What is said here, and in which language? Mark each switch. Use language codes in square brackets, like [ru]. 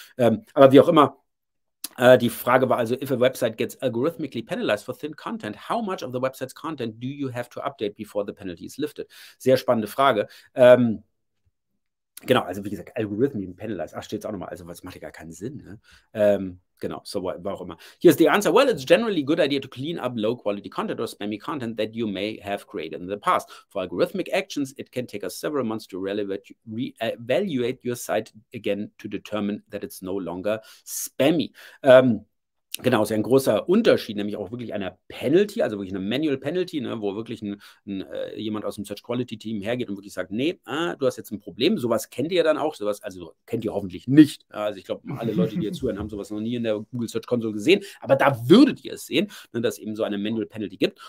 [de] Aber wie auch immer, die Frage war also, [en] if a website gets algorithmically penalized for thin content, how much of the website's content do you have to update before the penalty is lifted? [de] Sehr spannende Frage. Genau, also wie gesagt, [en] algorithmically penalized. [de] Ach, steht es auch nochmal. Also, das macht ja gar keinen Sinn. Ne? Genau, so war auch immer. [en] Here's the answer. Well, it's generally a good idea to clean up low-quality content or spammy content that you may have created in the past. For algorithmic actions, it can take us several months to re-evaluate your site again to determine that it's no longer spammy. [de] Genau, ist ja ein großer Unterschied, nämlich auch wirklich einer Penalty, also wirklich eine Manual Penalty, ne, wo wirklich jemand aus dem Search Quality Team hergeht und wirklich sagt, du hast jetzt ein Problem. Sowas kennt ihr dann auch, sowas, also kennt ihr hoffentlich nicht. Also ich glaube, alle Leute, die jetzt zuhören, haben sowas noch nie in der Google Search Console gesehen, aber da würdet ihr es sehen, ne, dass es eben so eine Manual Penalty gibt.